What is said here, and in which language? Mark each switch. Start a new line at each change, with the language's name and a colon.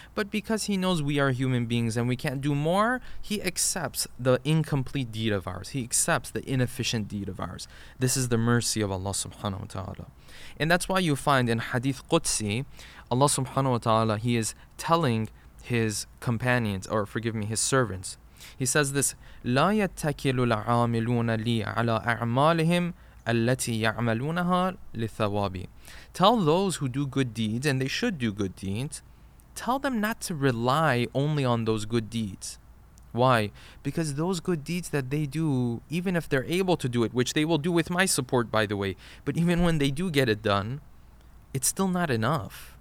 English: But because He knows we are human beings and we can't do more, He accepts the incomplete deed of ours. He accepts the inefficient deed of ours. This is the mercy of Allah subhanahu wa ta'ala. And that's why you find in Hadith Qudsi, Allah subhanahu wa ta'ala, He is telling His companions, or forgive me, His servants. He says this:
Arabic: لَا يَتَّكِلُ الْعَامِلُونَ لِي عَلَىٰ أَعْمَالِهِمْ أَلَّتِي يَعْمَلُونَهَا لِثَوَابِ.
English: Tell those who do good deeds, and they should do good deeds, tell them not to rely only on those good deeds. Why? Because those good deeds that they do, even if they're able to do it, which they will do with my support, by the way, but even when they do get it done, it's still not enough.